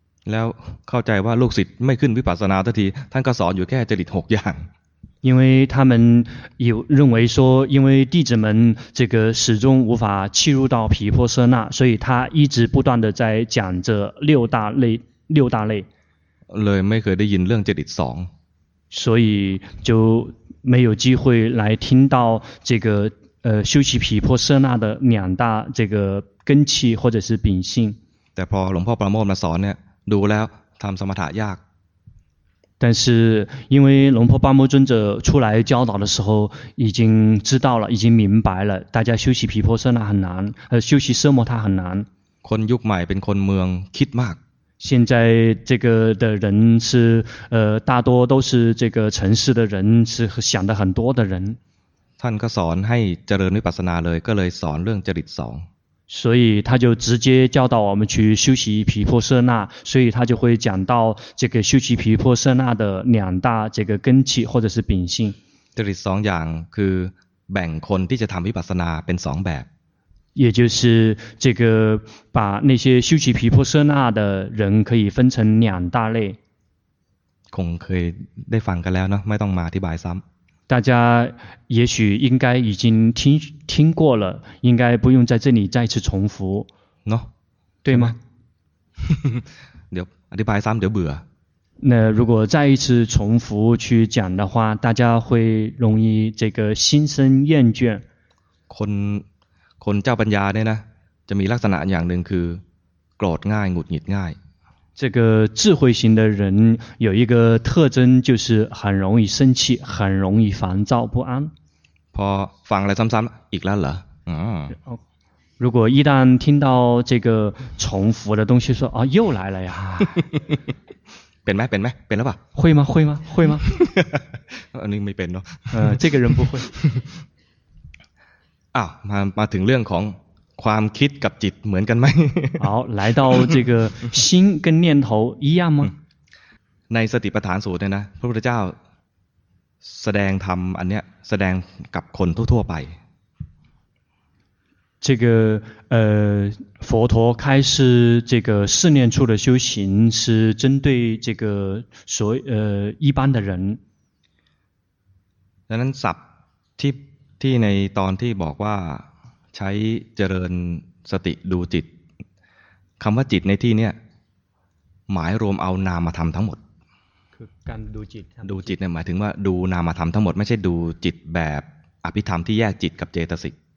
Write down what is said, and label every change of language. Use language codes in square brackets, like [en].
[th] แล้วเข้าใจว่าลูกศิษย์ไม่ขึ้นวิปัสสนาทันทีท่านก็สอนอยู่แค่จริต6อย่าง [zh] 因为他们有认为说因为弟子们这个始终无法契入到毗婆舍那所以他一直不断的在讲着六大类 [th] เลยไม่เคยได้ยินเรื่องจริต2 [zh] 所以就没有机会来听到这个修习毗婆舍那的两大这个根器或者是秉性 [th] แต่พอหลวงพ่อปราโมทมาสอนเนี่ยดูแล้วทำสมถะยาก [zh] 但是因为龙婆巴摩尊者出来教导的时候已经知道了已经明白了大家修习毗婆舍那很难修习奢摩他很难 [th] คนยุคใหม่เป็นคนเมืองคิดมาก [zh] 现在这个的人是大多都是这个城市的人是想的很多的人 [th] ท่านก็สอนให้เจริญวิปัสสนาเลยก็เลยสอนเรื่องจริต2 [zh] 所以他就直接教导我们去修习毗婆舍那所以他就会讲到这个修习毗婆舍那的两大这个根器或者是秉性 [th] 这里2อย่างคือแบ่งคนที่จะทำวิปัสสนาเป็น2แบบ [zh] 也就是这个把那些修习毗婆舍那的人可以分成两大类 [th] คงเคยได้ฟังกันแล้วเนาะไม่ต้องมาอธิบายซ้ำ [zh] 大家也许应该已经听过了应该不用在这里再次重复喏、no? 对吗 [th] เดี๋ยวอธิบายซ้ำเดี๋ยวเบื่อ [zh] 那如果再一次重复去讲的话大家会容易这个心生厌倦 [th] คนเจ้าปัญญาเนี่ยนะจะมีลักษณะอย่างหนึ่งคือโกรธง่ายหงุดหงิดง่าย [zh] 这个智慧型的人有一个特征就是很容易生气很容易烦躁不安 [th] พอฟังอะไรซ้ำๆอีกแล้วเหร [zh] อ如果一旦听到这个重复的东西说啊又来了呀 [th] เป็นไหมเป็นไหมเป็นหรือเปล่า [zh] 会吗会吗会吗 [th] อันนี้ไม่เป็นเนาะ [zh] 这个人不会 [th] อ้าวมาถึงเรื่องของความคิดกับจิตเหมือนกันไหม [zh] 好来到这个心跟念头一样吗 [th] ในสติปัฏฐานสูตรเนี่ยนะพระพุทธเจ้าแสดงธรรมอันเนี้ยแสดงกับคนทั่วๆไป [zh] 这个佛陀开示这个四念处的修行是针对这个所一般的人 [th] ดังนั้นศัพท์ที่ในตอนที่บอกว่าใช้เจริญสติดูจิตคำว่าจิตในที่นี้หมายรวมเอานามธรรมทั้งหมด คือการดูจิต ดูจิตเนี่ยหมายถึงว่าดูนามธรรมทั้งหมดไม่ใช่ดูจิตแบบอภิธรรมที่แยกจิตกับเจตสิก